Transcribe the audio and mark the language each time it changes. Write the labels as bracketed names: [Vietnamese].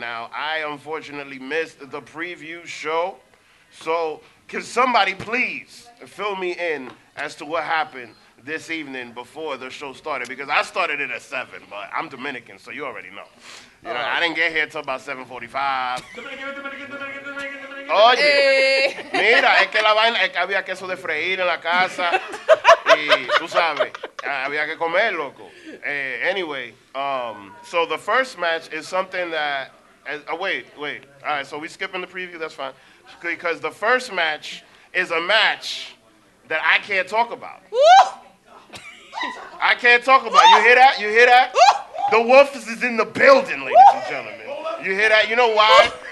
[English] Now, I unfortunately missed the preview show. So can somebody please fill me in as to what happened this evening before the show started? Because I started it at 7, but I'm Dominican, so you already know. You know, I didn't get here till about 7:45. Dominican. [Spanish] Oye, mira, es que la vaina, es que había queso de freír en la casa. Tú sabes, había que comer, loco. [English] Anyway, so the first match is something that... Wait. All right, so we skipping the preview, that's fine. Because the first match is a match that I can't talk about. I can't talk about it. You hear that? The Wolfs is in the building, ladies and gentlemen. You hear that? You know why?